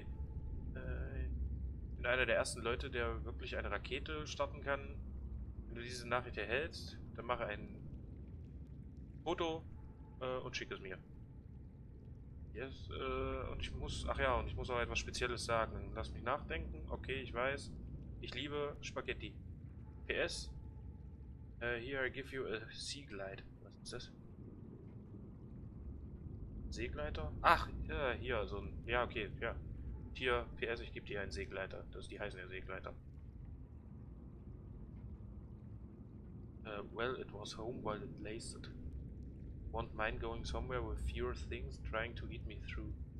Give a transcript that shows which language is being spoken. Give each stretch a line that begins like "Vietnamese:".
German: Ich bin einer der ersten Leute, der wirklich eine Rakete starten kann. Wenn du diese Nachricht erhältst, dann mache ein Foto und schick es mir. Yes, und ich muss, ach ja, und ich muss auch etwas Spezielles sagen. Lass mich nachdenken. Okay, ich weiß. Ich liebe Spaghetti.
English: PS, here I give you a sea glide.
German: Was ist das? Seegleiter? Ach, hier, so ein, ja, okay, ja. Hier, PS, ich gebe dir einen Seegleiter. Das, die heißen ja Seegleiter.
English: Well, it was home while it lasted. Won't mind going somewhere with fewer things trying to eat me through.